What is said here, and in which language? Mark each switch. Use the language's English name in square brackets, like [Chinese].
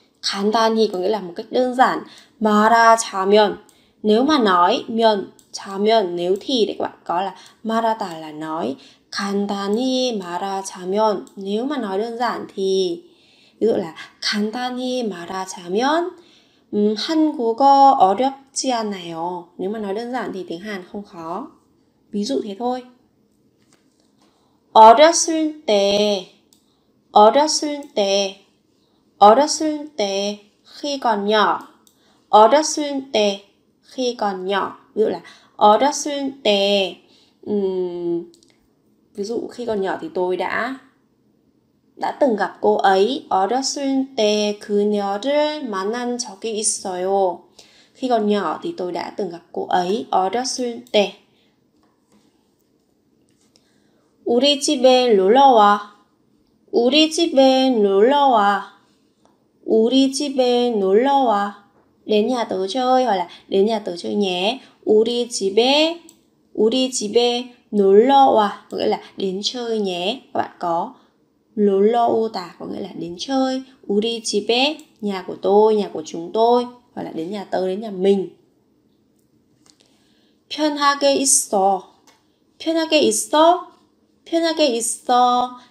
[Korean] 간단히 [Vietnamese] có nghĩa là một cách đơn giản. [Korean] 말하자면 [Vietnamese] nếu mà nói, 면 자면 nếu thì để các bạn có là 말하다 là nói. [Korean] 간단히 말하자면 [Vietnamese] nếu mà nói đơn giản thì ví dụ là [Korean] 간단히 말하자면 한국어 어렵지 않아요. [Vietnamese] Nếu mà nói đơn giản thì tiếng Hàn không khó. Ví dụ thế thôi. [Korean] 어렸을 때 어렸을 때 어렸을 때 [Vietnamese] khi còn nhỏ. [Korean] 어렸을 때 [Vietnamese] khi còn nhỏ. Ví dụ là [Korean] 어렸을 때 [Vietnamese] ví dụ khi còn nhỏ thì tôi đã từng gặp cô ấy. [Korean] 어렸을 때 그녀를 만난 적이 있어요. [Vietnamese] Khi còn nhỏ thì tôi đã từng gặp cô ấy. [Korean] 어렸을 때 우리 집에 놀러 와. 우리 집에 놀러 와. 우리 집에 놀러 와. [Vietnamese] Đến nhà tớ chơi hoặc là đến nhà tớ chơi nhé. [Korean] 우리 집에 우리 집에 놀러 와 [Vietnamese] có nghĩa là đến chơi nhé. Các bạn có [Korean] 놀러 오다 [Vietnamese] có nghĩa là đến chơi. [Korean] 우리 집에 [Vietnamese] nhà của tôi, nhà của chúng tôi hoặc là đến nhà tớ, đến nhà mình. [Korean] 편하게 있어. 편하게 있어. 편하게 있어.